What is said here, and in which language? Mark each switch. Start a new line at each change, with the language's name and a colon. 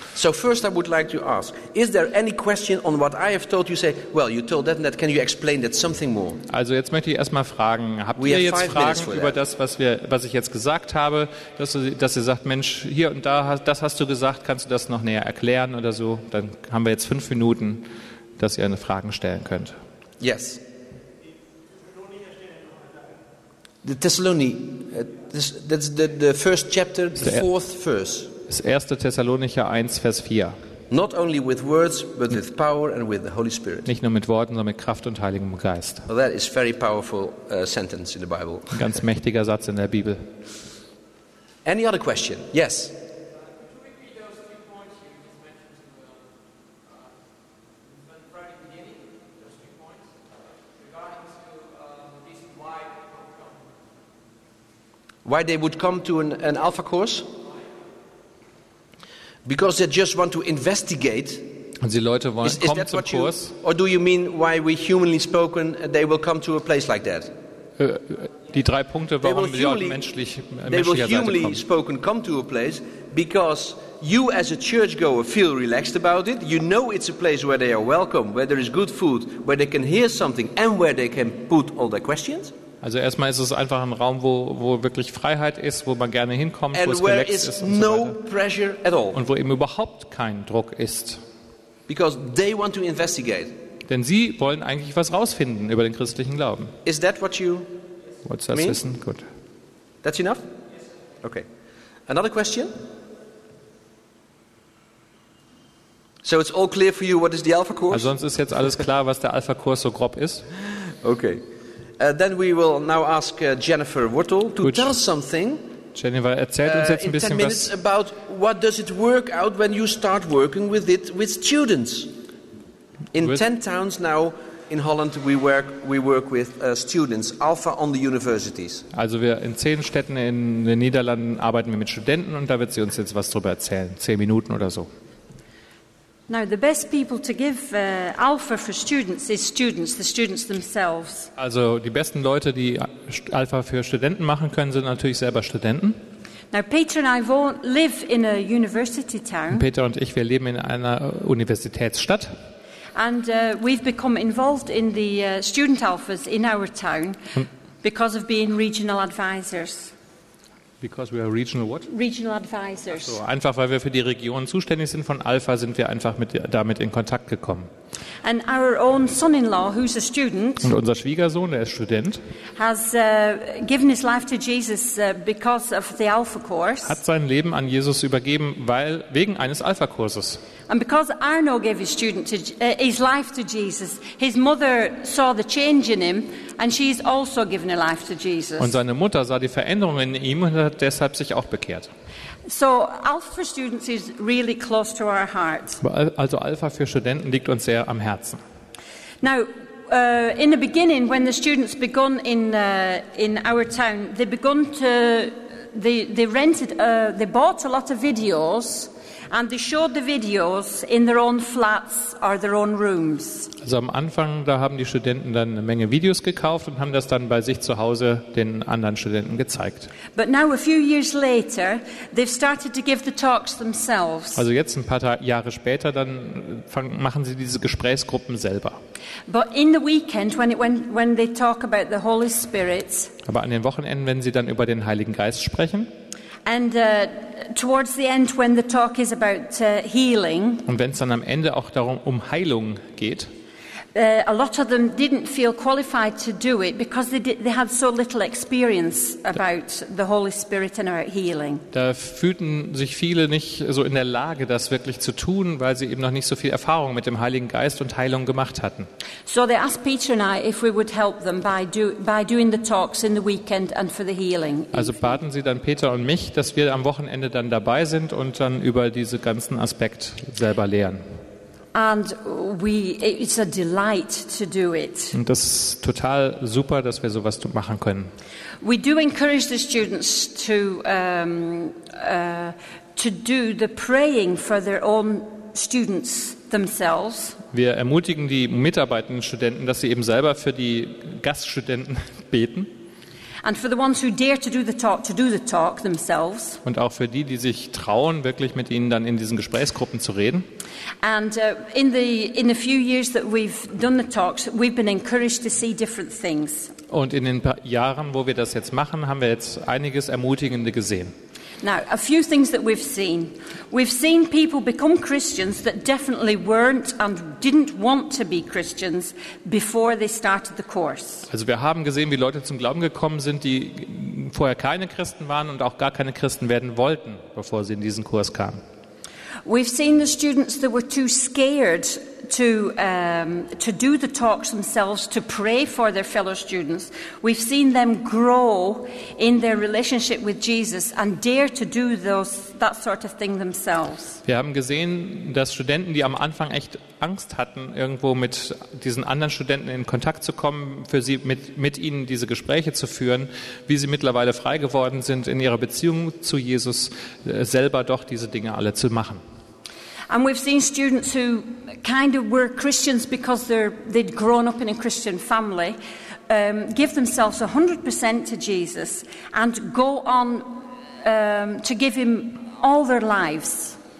English: So first I would like to ask, is there any question on what I have told you? Say, well, you told that and that. Can you explain that something more?
German: Also jetzt möchte ich erstmal fragen, habt ihr jetzt Fragen über das, was ich jetzt gesagt habe, dass ihr sagt, Mensch, hier und da, das hast du gesagt, kannst du das noch näher erklären oder so? Dann haben wir jetzt 5 Minuten, dass ihr eine Frage stellen könnt.
English: Yes. The Thessalonians, that's the first chapter, the fourth verse.
German: Das erste Thessalonicher 1, Vers 4.
English: Not only with words, but with power and with the Holy Spirit.
German: Nicht nur mit Worten, sondern mit Kraft und Heiligem Geist.
English: Well, that is very powerful sentence in the Bible.
German: Ein ganz mächtiger Satz in der Bibel.
English: Any other question? Yes. Why they would come to an Alpha course? Because they just want to investigate.
German: Und die Leute wollen kommen zum Kurs.
English: Or do you mean why we humanly spoken they will come to a place like that?
German: Die drei Punkte, warum wir menschlich
English: They will humanly spoken come to a place because you as a churchgoer feel relaxed about it. You know it's a place where they are welcome, where there is good food, where they can hear something and where they can put all their questions.
German: Also erstmal ist es einfach ein Raum, wo wirklich Freiheit ist, wo man gerne hinkommt,
English: and
German: wo es relaxed ist und so
English: no
German: weiter.
English: Pressure at all.
German: Und wo eben überhaupt kein Druck ist.
English: Because they want to investigate.
German: Denn sie wollen eigentlich was rausfinden über den christlichen Glauben.
English: Is that what you What's that mean? Wissen? Good. That's enough? Okay. Another question? So it's all clear for you what is the Alpha course?
German: Also sonst ist jetzt alles klar, was der Alpha Kurs so grob ist.
English: Okay. Then we will now ask Jennifer Wurtel to Gut. Tell us something.
German: Jennifer, erzählt uns jetzt ein bisschen was.
English: About what does it work out when you start working with it with students? In 10 towns now in Holland we work with students, Alpha on the universities.
German: Also wir in 10 Städten in den Niederlanden arbeiten wir mit Studenten und da wird sie uns jetzt was drüber erzählen, 10 Minuten oder so.
English: Now the best people to give Alpha for students is students, the students themselves.
German: Also die besten Leute, die Alpha für Studenten machen können, sind natürlich selber Studenten.
English: Now Peter and I live in a university town.
German: Peter und ich, wir leben in einer Universitätsstadt.
English: And we've become involved in the student alphas in our town because of being regional advisors. Because we are regional what? Regional advisors.
German: So, einfach weil wir für die Region zuständig sind von Alpha, sind wir einfach damit in Kontakt gekommen.
English: And our own son-in-law, who's a student,
German: und unser Schwiegersohn, der ist Student,
English: has given his life to Jesus because of the Alpha course.
German: Hat sein Leben an Jesus übergeben, wegen eines Alpha-Kurses.
English: And because Arno gave his life to Jesus, his mother saw the change in him, and she's also given her life to Jesus.
German: Und seine Mutter sah die Veränderung in ihm und hat deshalb sich auch bekehrt.
English: So Alpha for students is really close to our hearts.
German: Also Alpha für Studenten liegt uns sehr am Herzen.
English: Now, in the beginning, when the students begun in our town, they begun to they bought a lot of videos. And they showed the videos in their own flats or their own rooms.
German: Also am Anfang, da haben die Studenten dann eine Menge Videos gekauft und haben das dann bei sich zu Hause den anderen Studenten gezeigt.
English: But now, a few years later, they've started to give the talks themselves.
German: Also jetzt ein paar Jahre später, dann machen sie diese Gesprächsgruppen selber.
English: But in the weekend, when they talk about the Holy Spirit.
German: Aber an den Wochenenden, wenn sie dann über den Heiligen Geist sprechen.
English: And towards the end, when the talk is about healing,
German: und wenn es dann am Ende auch darum Heilung geht,
English: a lot of them didn't feel qualified to do it because they had so little experience about the Holy Spirit and about healing.
German: Da fühlten sich viele nicht so in der Lage, das wirklich zu tun, weil sie eben noch nicht so viel Erfahrung mit dem Heiligen Geist und Heilung gemacht hatten.
English: So they asked Peter and I if we would help them by doing the talks in the weekend and for the healing.
German: Also baten sie dann Peter und mich, dass wir am Wochenende dann dabei sind und dann über diesen ganzen Aspekt selber lehren.
English: And it's a delight to do it.
German: Und das ist total super, dass wir sowas machen können.
English: We do encourage the students to do the praying for their own students themselves.
German: Wir ermutigen die mitarbeitenden Studenten, dass sie eben selber für die Gaststudenten beten.
English: And for the ones who dare to do the talk themselves.
German: Und auch für die sich trauen, wirklich mit ihnen dann in diesen Gesprächsgruppen zu reden.
English: And in the few years that we've done the talks, we've been encouraged to see different things.
German: Und in den Jahren, wo wir das jetzt machen, haben wir jetzt einiges Ermutigende gesehen.
English: Now, a few things that we've seen. We've seen people become Christians that definitely weren't and didn't want to be Christians before they started the course.
German: Also wir haben gesehen, wie Leute zum Glauben gekommen sind, die vorher keine Christen waren und auch gar keine Christen werden wollten, bevor sie in diesen Kurs kamen.
English: We've seen the students that were too scared to do the talks themselves, to pray for their fellow students. We've seen them grow in their relationship with Jesus and dare to do that sort of thing themselves.
German: Wir haben gesehen, dass Studenten, die am Anfang echt Angst hatten, irgendwo mit diesen anderen Studenten in Kontakt zu kommen, für sie mit ihnen diese Gespräche zu führen, wie sie mittlerweile frei geworden sind in ihrer Beziehung zu Jesus, selber doch diese Dinge alle zu machen.
English: And we've seen students who kind of were Christians because they'd grown up in a Christian family, give themselves 100% to Jesus and go on to give him all their lives.